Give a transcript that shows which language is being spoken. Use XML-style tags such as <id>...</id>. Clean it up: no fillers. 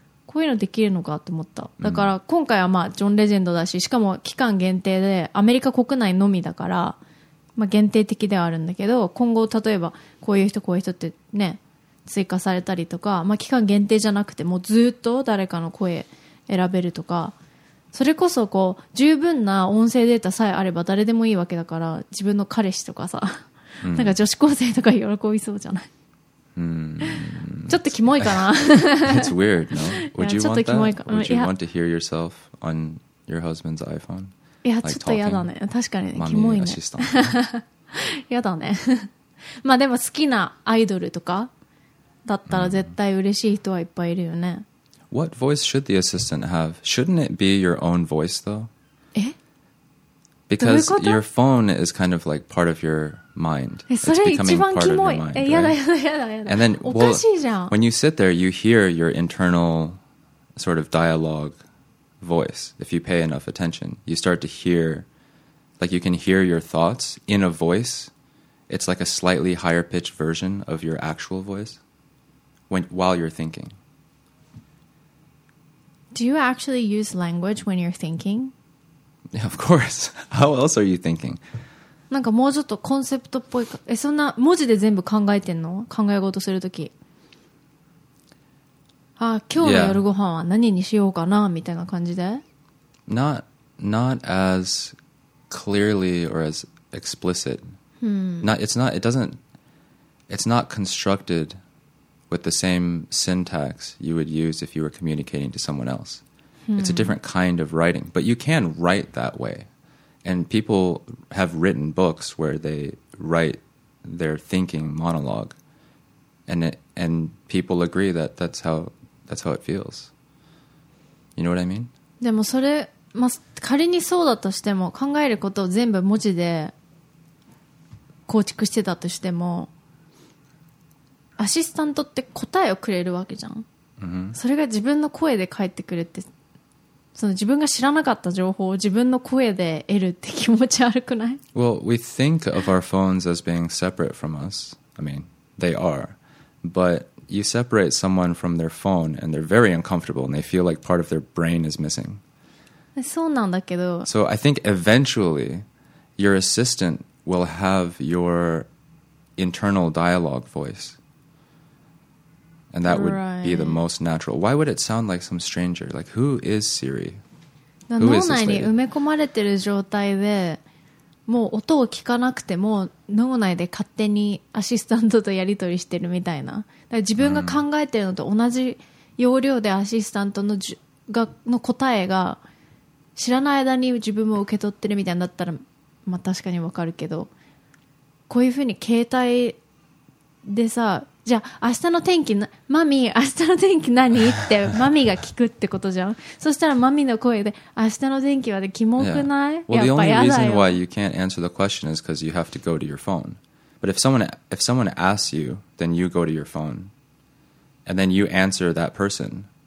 <ja>こういうのできるのかと思った。だから今回はまあジョン・レジェンドだし、しかも期間限定でアメリカ国内のみだから、まあ限定的ではあるんだけど、今後例えばこういう人こういう人ってね、追加されたりとか、まあ期間限定じゃなくてもうずっと誰かの声選べるとか、それこそこう十分な音声データさえあれば誰でもいいわけだから、自分の彼氏とかさ、なんか女子高生とか喜びそうじゃない？ちょっとキモいかな。</ja> <en>It's weird, no? Would you want that? Would you want to hear yourself on your husband's iPhone?</en> <ja>いや、ちょっと嫌だね。確かにね、キモいね。嫌だね。まあでも好きなアイドルとかだったら絶対嬉しい人はいっぱいいるよね。</ja> <en>What voice should the assistant have? Shouldn't it be your own voice, though? え？ Because your phone is kind of like part of your... mind. It's becoming part of your mind. And then, well, when you sit there, you hear your internal sort of dialogue voice. If you pay enough attention, you start to hear, like you can hear your thoughts in a voice. It's like a slightly higher pitched version of your actual voice while you're thinking. Do you actually use language when you're thinking? Yeah, of course. How else are you thinking?</en> <ja>なんかもうちょっとコンセプトっぽいか、え、そんな文字で全部考えてんの？考え事するとき、あ、今日の夜ご飯は何にしようかなみたいな感じで、</ja> <en>not as clearly or as explicit、it's not constructed with the same syntax you would use if you were communicating to someone else、it's a different kind of writing, but you can write that wayAnd people have written books where they write their thinking monologue, and people agree that that's how it feels. You know what I mean?</en> <ja>でもそれ、まあ、仮にそうだとしても、考えることを全部文字で構築してたとしてもアシスタントって答えをくれるわけじゃん、 mm-hmm. それが自分の声で返ってくるってその自分が知らなかった情報を自分の声で得るって気持ち悪くない?</ja> <en>Well, we think of our phones as being separate from us. I mean, they are. But you separate someone from their phone and they're very uncomfortable and they feel like part of their brain is missing.</en> <ja>そうなんだけど。</ja> <en>So I think eventually your assistant will have your internal dialogue voice. And that would right. be the most natural. Why would it sound like some stranger? Like, who is Siri? Who is this lady?</en> <ja>脳内に埋め込まれてる状態で、もう音を聞かなくても、脳内で勝手にアシスタントとやり取りしてるみたいな。だから自分が考えてるのと同じ要領でアシスタントの、の答えが知らない間に自分も受け取ってるみたいになったら、まあ確かにわかるけど、こういうふうに携帯でさ、じゃあ明日の天気マミー明日の天気何ってマミーが聞くってことじゃん。そしたらマミーの声で明日の天気はでキモくない、</ja> <en>yeah. Well, the only reason why you can't answer the question is because you have to go to your phone. But if someone asks you, then you go to your phone, and then you answer that person.</en>